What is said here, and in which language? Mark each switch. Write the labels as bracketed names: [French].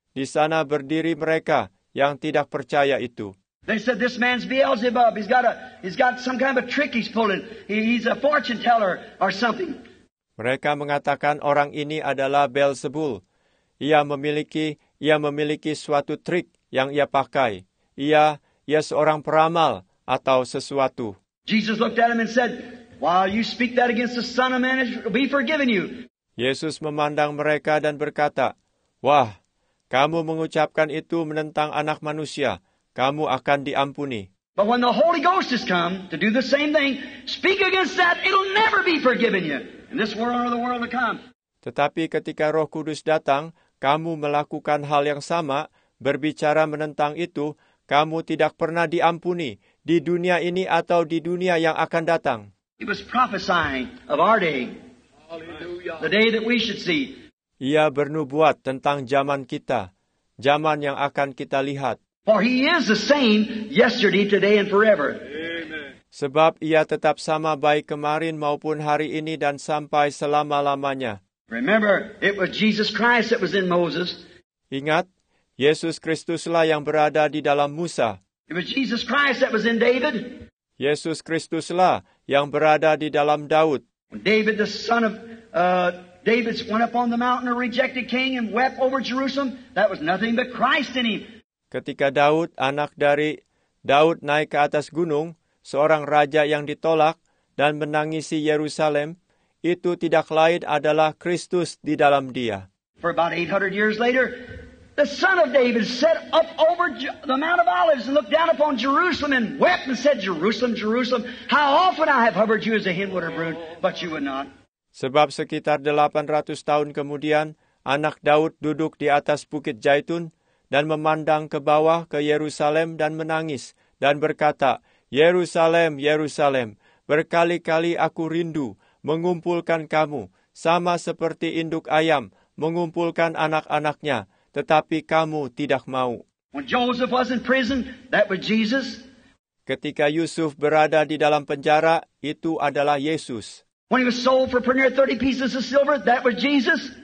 [Indonesian] Di sana berdiri mereka yang tidak percaya itu. [English] They said, "This man's Beelzebub. He's got some kind of a trick he's pulling. He's a fortune teller or something." [Indonesian] Mereka mengatakan orang ini adalah Beelzebul. Ia memiliki suatu trik yang ia pakai. Ia seorang peramal atau sesuatu. [English] Jesus looked at him and said, "While you speak that against the Son of Man, it will be forgiven you." [Indonesian] Yesus memandang mereka dan berkata, "Wah, kamu mengucapkan itu menentang Anak Manusia, kamu akan diampuni." [English] But when the Holy Ghost has come to do the same thing, speak against that, it'll never be forgiven you in this world or the world to come. [Indonesian] Tetapi ketika Roh Kudus datang, kamu melakukan hal yang sama, berbicara menentang itu, kamu tidak pernah diampuni di dunia ini atau di dunia yang akan datang. [English] He was prophesying of our day. The day that we should see. [Indonesian] Ia bernubuat tentang zaman kita, zaman yang akan kita lihat. [English] For he is the same yesterday, today, and forever. [Indonesian] Sebab ia tetap sama baik kemarin maupun hari ini dan sampai selama-lamanya. [English] Remember, it was Jesus Christ that was in Moses. [Indonesian] Ingat, Yesus Kristuslah yang berada di dalam Musa. [English] It was Jesus Christ that was in David. [Indonesian] Yesus Kristuslah yang berada di dalam Daud. [English] When David, the son of David, went up on the mountain, a rejected king, and wept over Jerusalem, that was nothing but Christ in him. [Indonesian] Ketika Daud, anak dari Daud, naik ke atas gunung, seorang raja yang ditolak dan menangisi Yerusalem, itu tidak lain adalah Kristus di dalam dia. [English] For about 800 years later, the son of David sat up over the Mount of Olives and looked down upon Jerusalem and wept and said, Jerusalem, Jerusalem, how often I have hovered you as a hen would her brood, but you would not. [Indonesian] Sebab sekitar 800 tahun kemudian, anak Daud duduk di atas bukit Zaitun dan memandang ke bawah ke Yerusalem dan menangis dan berkata, Yerusalem, Yerusalem, berkali-kali aku rindu mengumpulkan kamu, sama seperti induk ayam mengumpulkan anak-anaknya, tetapi kamu tidak mau. [English] When Joseph was in prison, that was Jesus. [Indonesian] Ketika Yusuf berada di dalam penjara, itu adalah Yesus. [English] When he was sold for near 30 pieces of silver, that was Jesus.